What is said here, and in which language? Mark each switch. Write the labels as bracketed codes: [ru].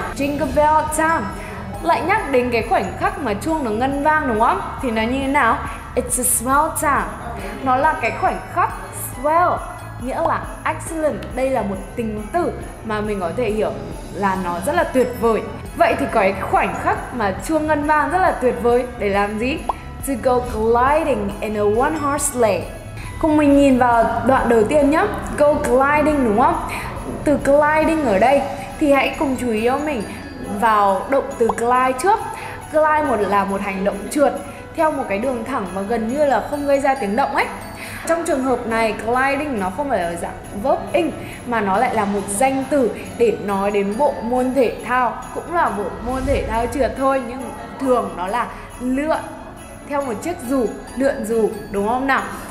[en] Jingle bell time. [vi] Lại nhắc đến cái khoảnh khắc mà chuông nó ngân vang, đúng không? Thì nó như thế nào? [en] It's a swell time. [vi] Nó là cái khoảnh khắc swell, nghĩa là excellent. Đây là một tính từ mà mình có thể hiểu là nó rất là tuyệt vời. Vậy thì cái khoảnh khắc mà chuông ngân vang rất là tuyệt vời để làm gì? [en] To go gliding in a one-horse sleigh. [vi] Cùng mình nhìn vào đoạn đầu tiên nhé. [en] Go gliding, [vi] đúng không? Từ gliding ở đây thì hãy cùng chú ý cho mình vào động từ glide trước. Glide một là một hành động trượt theo một cái đường thẳng và gần như là không gây ra tiếng động ấy. Trong trường hợp này, gliding nó không phải ở dạng verb ing mà nó lại là một danh từ để nói đến bộ môn thể thao, cũng là bộ môn thể thao trượt thôi, nhưng thường nó là lượn theo một chiếc dù, lượn dù, đúng không nào?